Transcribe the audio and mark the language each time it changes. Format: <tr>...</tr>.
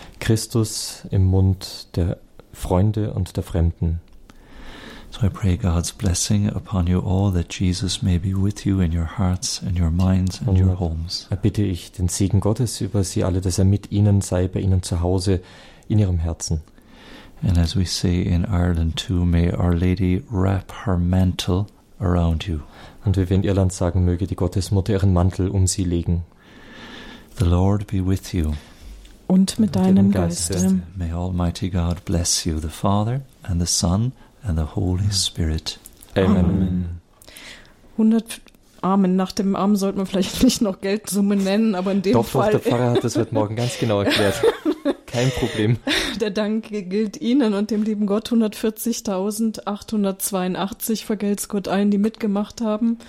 <de>Christus im Mund der Freunde und der Fremden.</de> <en>So I pray God's blessing upon you all, that Jesus may be with you in your hearts and your minds and your homes.</en> <de>Erbitte ich den Segen Gottes über Sie alle, dass er mit Ihnen sei, bei Ihnen zu Hause, in Ihrem Herzen.</de> <en>And as we say in Ireland too, may Our Lady wrap her mantle around you.</en> <de>Und wie wir in Irland sagen, möge die Gottesmutter ihren Mantel um Sie legen.</de> <en>The Lord be with you.</en> <de>Und mit deinem Geiste.</de> <en>May Almighty God bless you, the Father and the Son and the Holy Spirit. Amen. Amen.</en> <de>100 Amen. Nach dem Amen sollte man vielleicht nicht noch Geldsumme nennen, aber in dem doch, Fall. Doch, der Pfarrer hat das heute Morgen ganz genau erklärt. Kein Problem. Der Dank gilt Ihnen und dem lieben Gott. 140.882 vergelt's Gott allen, die mitgemacht haben.</de>